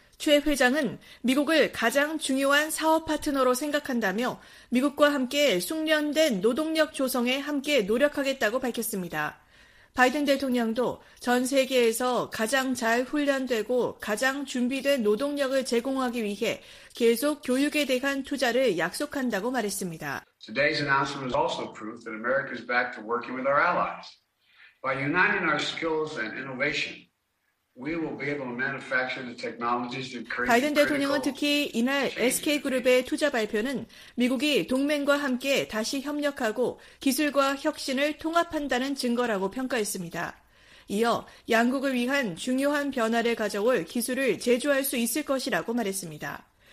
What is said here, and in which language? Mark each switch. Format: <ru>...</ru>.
<ko>최 회장은 미국을 가장 중요한 사업 파트너로 생각한다며 미국과 함께 숙련된 노동력 조성에 함께 노력하겠다고 밝혔습니다. 바이든 대통령도 전 세계에서 가장 잘 훈련되고 가장 준비된 노동력을 제공하기 위해 계속 교육에 대한 투자를 약속한다고 말했습니다.</ko> <en>Today's announcement is also proof that America is back to working with our allies. By uniting our skills and innovation, we will be able to manufacture the technologies that create.</en> <ko>바이든 대통령은 특히 이날 SK그룹의 투자 발표는 미국이 동맹과 함께 다시 협력하고 기술과 혁신을 통합한다는 증거라고 평가했습니다. 이어 양국을 위한 중요한 변화를 가져올 기술을 제조할 수 있을 것이라고 말했습니다.</ko>